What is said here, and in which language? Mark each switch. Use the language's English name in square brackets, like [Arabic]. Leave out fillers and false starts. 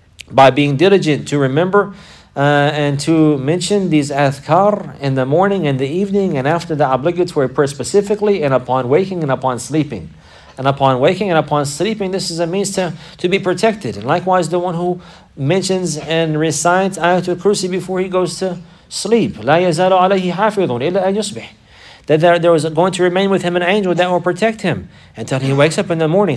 [English] By being diligent to remember and to mention these adhkar in the morning and the evening and after the obligatory prayer specifically and upon waking and upon sleeping. And upon waking and upon sleeping, this is a means to be protected. And likewise, the one who mentions and recites Ayatul Kursi before he goes to sleep. [Arabic] لا يزال عليه حافظون إلا أن يصبح. [English] That there was going to remain with him an angel that will protect him until he wakes up in the morning.